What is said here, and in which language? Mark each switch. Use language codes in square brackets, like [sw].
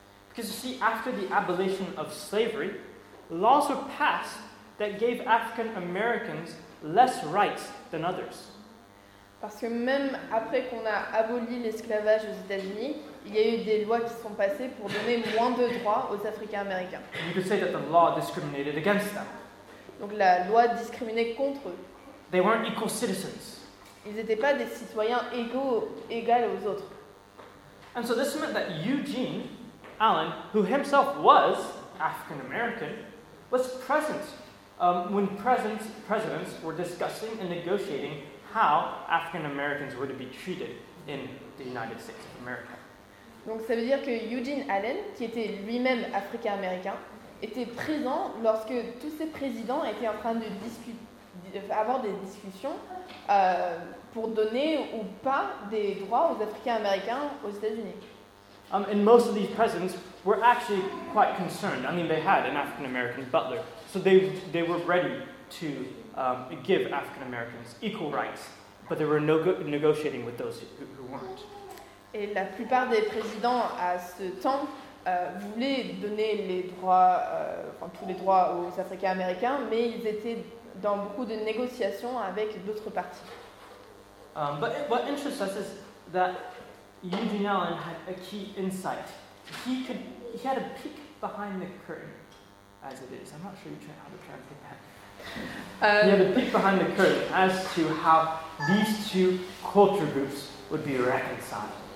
[en] Because you see, after the abolition of slavery, laws were passed that gave African-Americans less rights than others. [fr] Parce que même après qu'on a aboli l'esclavage aux États-Unis, il y a eu des lois qui sont passées pour donner moins de droits aux Africains-Américains. [en] You could say that the law discriminated against them. [fr] Donc la loi discriminait contre eux. [en] They weren't equal citizens. [fr] Ils n'étaient pas des citoyens égaux aux autres. [en] And so this meant that Eugene Allen, who himself was African-American, was present when presidents were discussing and negotiating how African Americans were to be treated in the United States of America. [fr] Donc ça veut dire que Eugene Allen, qui était lui-même africain-américain, était présent lorsque tous ces présidents étaient en train de avoir des discussions pour donner ou pas des droits aux Africains-américains aux États-Unis. [en] And most of these presidents were actually quite concerned. I mean, they had an African American butler, so they were ready to give African Americans equal rights, but they were negotiating with those who weren't. [fr] Et la plupart des présidents à ce temps voulaient donner les droits, tous les droits aux Africains-Américains, mais ils étaient dans beaucoup de négociations avec d'autres partis. [en] But what interests us is that Eugene Allen had a key insight. He had a peek behind the curtain, as it is. I'm not sure how to translate that. He had a peek behind the curtain as to how these two culture groups would be reconciled.